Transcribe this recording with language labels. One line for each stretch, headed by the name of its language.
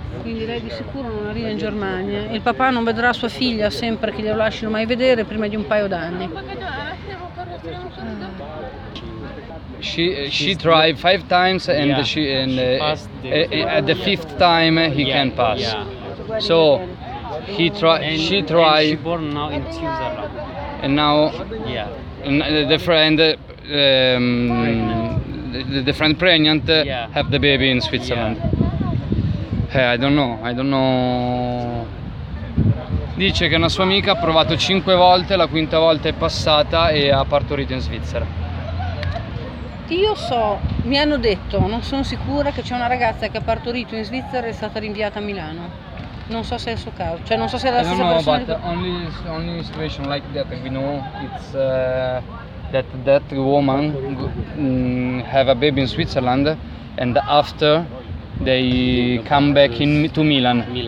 Italian: Quindi lei di sicuro non arriva in Germania. Il papà non vedrà sua figlia sempre che glielo lasciano mai vedere prima di un paio d'anni.
English: She tried 5 times and yeah, she and she at the 5th time he can pass. Yeah. So he tried. She born now in Switzerland. And now the friend pregnant have the baby in Switzerland. Yeah. I don't know.
Italian: Dice che una sua amica ha provato 5 volte, la quinta volta è passata e ha partorito in Svizzera. Io so, mi hanno detto, non sono sicura, che c'è una ragazza che ha partorito in Svizzera e è stata rinviata a Milano. Non so se è il suo caso, cioè non so se è la stessa persona.
English: But only situation like that we know it's that woman have a baby in Switzerland and after they come back in to Milan.